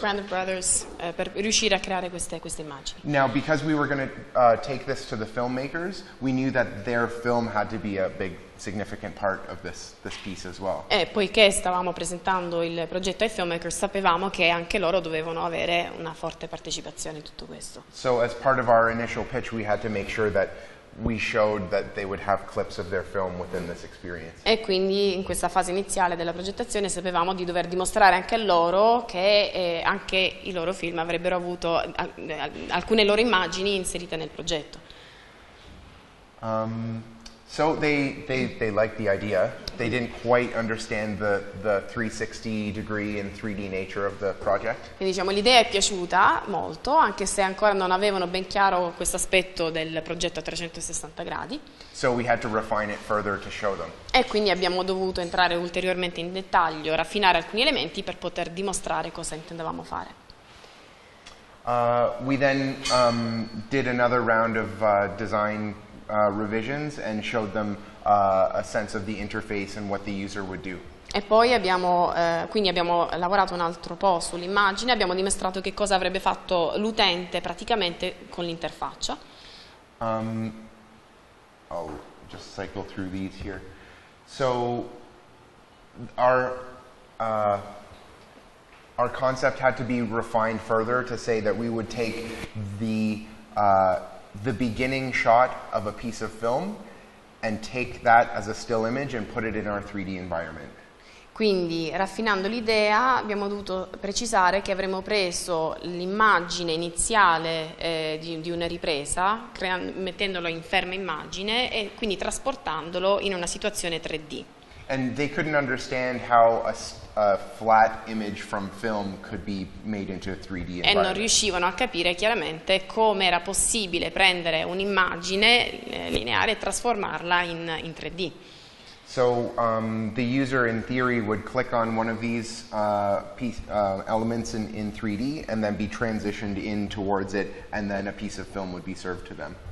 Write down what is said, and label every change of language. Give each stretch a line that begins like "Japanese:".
Italian: Band of Brothers, per riuscire a creare queste immagini.
English: Now, because we were going to take this to the filmmakers, we knew that their film had to be a big significant part of this piece as well.
Italian: E poiché stavamo presentando il progetto ai filmmaker, sapevamo che anche loro dovevano avere una forte partecipazione in tutto questo.
English: So as part of our initial pitch, we had to make sure that we showed that they would have clips of their film within this experience.
Italian: E quindi in questa fase iniziale della progettazione sapevamo di dover dimostrare anche a loro che anche i loro film avrebbero avuto alcune loro immagini inserite nel progetto.
English: So they liked the idea. They didn't quite understand the 360 degree and 3D nature of the project.
Italian: E diciamo l'idea è piaciuta molto, anche se ancora non avevano ben chiaro questo aspetto del progetto a 360 gradi.
English: So we had to refine it further to show them.
Italian: E quindi abbiamo dovuto entrare ulteriormente in dettaglio, raffinare alcuni elementi per poter dimostrare cosa intendevamo fare.
English: We then did another round of design revisions and showed them a sense of the interface and what the user would do.
Italian: E poi abbiamo quindi abbiamo lavorato un altro po' sull'immagine, abbiamo dimostrato che cosa avrebbe fatto l'utente praticamente con l'interfaccia.
English: I'll just cycle through these here. So our concept had to be refined further to say that we would take the beginning shot of a piece of film and take that as a still image and put it in our 3D environment.
Italian: Quindi, raffinando l'idea, abbiamo dovuto precisare che avremmo preso l'immagine iniziale di una ripresa, mettendolo in ferma immagine e quindi trasportandolo in una situazione 3D.
English: And they couldn't understand how a flat image from film could be made into a 3D environment.
Italian: E non riuscivano a capire chiaramente come era possibile prendere un'immagine lineare e trasformarla in 3D.
English: So the user in theory would click on one of these elements in 3D and then be transitioned in towards it, and then a piece of film would be served to them.